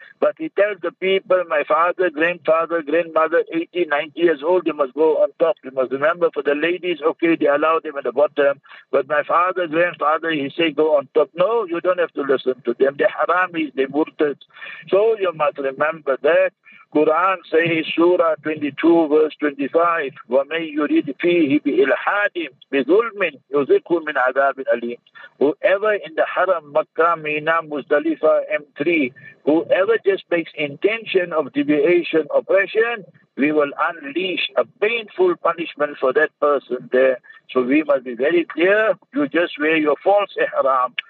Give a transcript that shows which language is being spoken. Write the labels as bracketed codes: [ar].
[en] But he tells the people, my father, grandfather, grandmother, 80, 90 years old, you must go on top. You must remember, for the ladies, okay, they allow them at the bottom. But my father, grandfather, he say, go on top. No, you don't have to listen to them. They're haramis, they're murtads. So you must remember that. Quran says, Surah 22, verse 25, [ar] وَمَنْ يُرِدْ فِيهِ بِإِلْحَادٍ بِظُلْمٍ يُذِكُ مِنْ عَذَابٍ أَلِيمٍ. [en] Whoever in the Haram, Makkah, Mina, Muzdalifah, M3, whoever just makes intention of deviation, oppression, we will unleash a painful punishment for that person there. So we must be very clear, you just wear your false ihram.